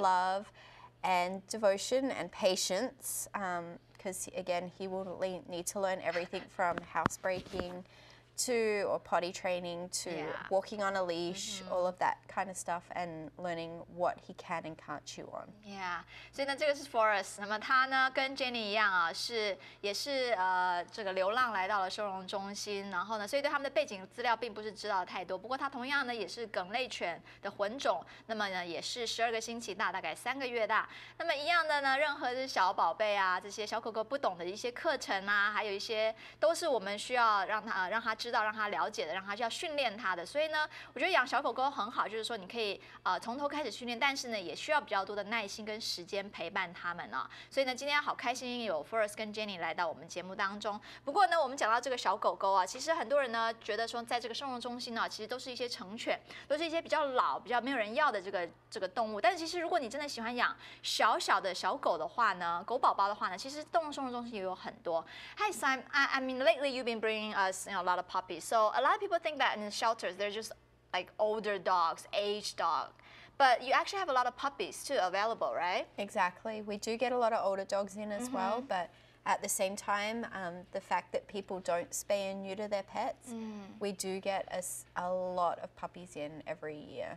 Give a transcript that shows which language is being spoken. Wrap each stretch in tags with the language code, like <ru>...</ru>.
<en>love, and devotion and patience. Because again, he will need to learn everything from housebreaking or potty training to walking on a leash, mm-hmm. all of that kind of stuff, and learning what he can and can't chew on.</en> <zh>Yeah, 所以呢，这个是 Forest。那么他呢，跟 Jenny 一样啊，也是这个流浪来到了收容中心。然后呢，所以对他们的背景资料并不是知道太多。不过他同样呢，也是梗类犬的混种。那么呢，也是十二个星期大，大概三个月大。那么一样的呢，任何的小宝贝啊，这些小狗狗不懂的一些课程啊，还有一些都是我们需要让他知道，让他了解的，让他需要训练他的。所以呢，我觉得养小狗狗很好，就是说你可以从头开始训练，但是呢也需要比较多的耐心跟时间陪伴他们哦。所以呢，今天好开心有 Forest 跟 Jenny 来到我们节目当中。不过呢，我们讲到这个小狗狗啊，其实很多人呢觉得说，在这个收容中心呢、其实都是一些成犬，都是一些比较老、比较没有人要的这个动物。但其实如果你真的喜欢养小小的小狗的话呢，狗宝宝的话呢，其实动物收容中心也有很多。</zh> <en>Hi Sam, I mean lately you've been bringing us you know, a lot of puppies. So a lot of people think that in the shelters they're just like older dogs, aged dogs. But you actually have a lot of puppies too available, right? Exactly. We do get a lot of older dogs in as mm-hmm. well. But at the same time, the fact that people don't spay and neuter their pets, we do get a lot of puppies in every year.</en>